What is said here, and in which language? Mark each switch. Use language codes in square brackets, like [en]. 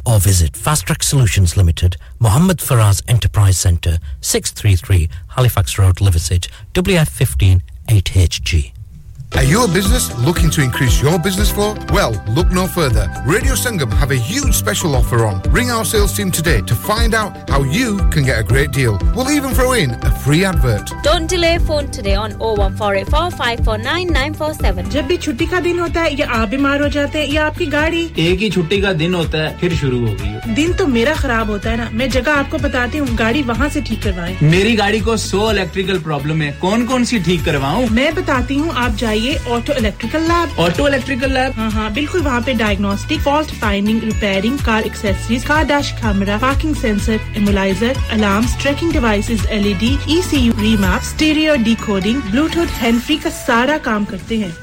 [en] or visit Fast Track Solutions Limited, Muhammad Faraz Enterprise Centre, 633 Halifax Road, Liversedge, WF15 8HG. Are you a business looking to increase your business flow? Well, look no further. Radio Sangam have a huge special offer on. Ring our sales team today to find out how you can get a great deal. We'll even throw in a free advert. Don't delay phone today on 01484-549-947. [hi] जब भी छुट्टी का दिन होता है या आप बीमार हो जाते हैं या आपकी गाड़ी एक ही छुट्टी का दिन होता है फिर शुरू हो गई दिन तो मेरा खराब होता है ना मैं जगह आपको बताती हूं गाड़ी वहां से ठीक करवाएं मेरी गाड़ी को 100 इलेक्ट्रिकल प्रॉब्लम है कौन-कौन सी ठीक करवाऊं मैं बताती हूं आप जाइए Auto Electrical Lab. हाँ बिल्कुल वहाँ पे diagnostic, fault finding, repairing, car accessories, car dash camera, parking sensor, immobilizer, alarms, tracking devices, LED, ECU remap, stereo decoding, Bluetooth, handfree का सारा काम करते हैं.